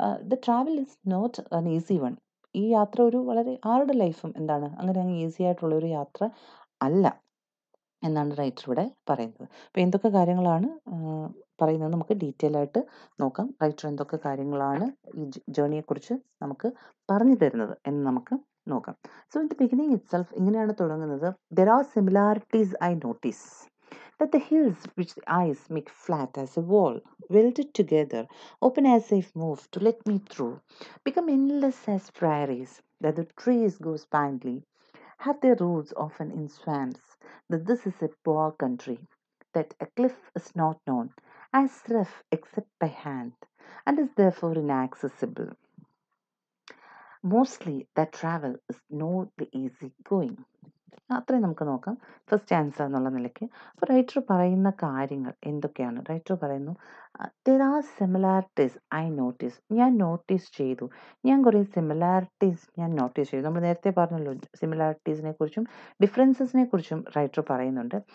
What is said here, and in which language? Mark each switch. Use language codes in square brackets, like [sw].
[en] The travel is not an easy one. [ml] ഈ യാത്ര ഒരു വളരെ ആരുടെ ലൈഫും എന്താണ് അങ്ങനെ അങ്ങ് ഈസി ആയിട്ടുള്ള ഒരു യാത്ര അല്ല എന്നാണ് റൈറ്റർ ഇവിടെ പറയുന്നത്. അപ്പോൾ എന്തൊക്കെ കാര്യങ്ങളാണ് പറയുന്നത് നമുക്ക് ഡീറ്റെയിൽ ആയിട്ട് നോക്കാം. റൈറ്റർ എന്തൊക്കെ കാര്യങ്ങളാണ് ഈ ജേർണിയെക്കുറിച്ച് നമുക്ക് പറഞ്ഞു തരുന്നത് എന്ന് നമുക്ക് നോക്കാം. So in the beginning itself ഇങ്ങനെയാണ് തുടങ്ങുന്നത്. [en] There are similarities I notice that the hills which the eyes make flat as a wall welded together open as if moved to let me through become endless as prairies that the trees go spindly have their roots often in swamps that this is a poor country that a cliff is not known as rough except by hand and is therefore inaccessible mostly that travel is not the easy going. [ml] അത്രയും നമുക്ക് നോക്കാം first answer എന്നുള്ള നിലയ്ക്ക്. അപ്പോൾ writer പറയുന്ന കാര്യങ്ങൾ എന്തൊക്കെയാണ്? Writer പറയുന്നു [en] There are similarities I notice. [ml] ഞാൻ നോട്ടീസ് ചെയ്തു, ഞാൻ കുറേ സിമിലാരിറ്റീസ് ഞാൻ നോട്ടീസ് ചെയ്തു. നമ്മൾ നേരത്തെ പറഞ്ഞല്ലോ സിമിലാരിറ്റീസിനെ കുറിച്ചും ഡിഫറൻസസിനെ കുറിച്ചും റൈറ്റർ പറയുന്നുണ്ട്.